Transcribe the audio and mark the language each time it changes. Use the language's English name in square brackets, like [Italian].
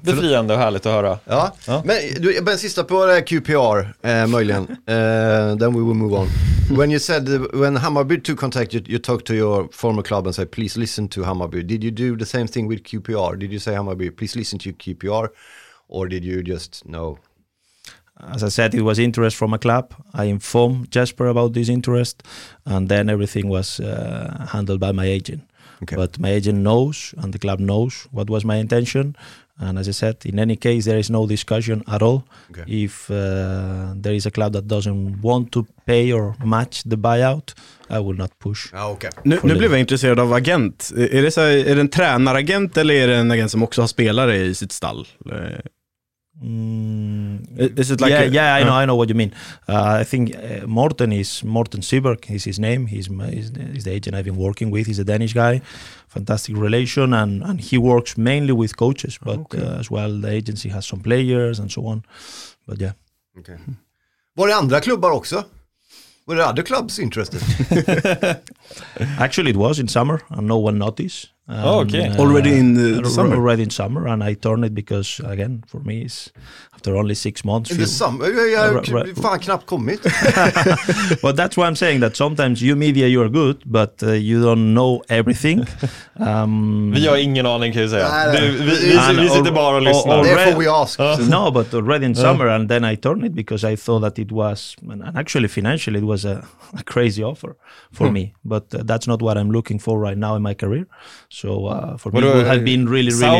[Swedish] Befriande och härligt att höra. Ja. Ja. Men du, men sista på det QPR möjligen. [English] Then we will move on. When you said when Hammarby took contact, you talked to your former club and said please listen to Hammarby. Did you do the same thing with QPR? Did you say Hammarby please listen to QPR, or did you just no? As I said, it was interest from a club. I informed Jesper about this interest, and then everything was handled by my agent. Okay. But my agent knows and the club knows what was my intention. And as I said, in any case, there is no discussion at all. Okay. If there is a club that doesn't want to pay or match the buyout, I will not push. Ah, okay. [Swedish] Nu blev jag intresserad av agent. Är det en tränaragent eller är det en agent som också har spelare i sitt stall? [English] Is it like I know what you mean. I think Morten Seberg is his name. He's the agent I've been working with. He's a Danish guy, fantastic relation, and he works mainly with coaches, but as well the agency has some players and so on. But yeah. Okay. [Swedish] Var det andra klubbar också? [English] Were there other clubs interested? Actually, it was in summer, and no one noticed. Already in summer, and I turned it because again for me it's after only 6 months. In the summer, [Swedish] fan knappt kommit. [English] But that's why I'm saying that sometimes you media you are good, but you don't know everything. [Swedish] Vi har ingen aning, kan jag säga. Vi sitter bara och lyssnar. [English] Therefore we ask. No, but already in summer, and then I turned it because I thought that it was, and actually financially it was a crazy offer for me. But that's not what I'm looking for right now in my career. So for me, it would have been really, really